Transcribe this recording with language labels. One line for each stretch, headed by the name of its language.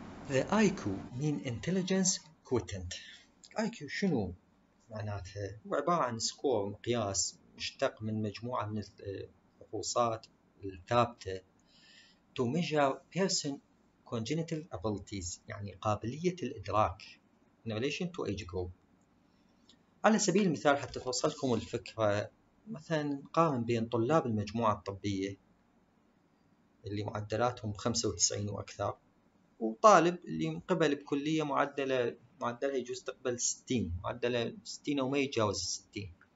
English: The IQ mean intelligence quotient.
Arabic: IQ شنو معناتها؟ هو عبارة عن سكور, مقياس مشتق من مجموعة من الفحوصات الثابتة.
English: To measure person congenital abilities,
Arabic: يعني قابلية الإدراك.
English: In relation to age group.
Arabic: على سبيل المثال حتى توصلكم الفكرة, مثلا قارن بين طلاب المجموعة الطبية اللي معدلاتهم 95 وأكثر, وطالب اللي مقبل بكلية معدلها يجوز تقبل 60, معدله 60 وما يتجاوز 60.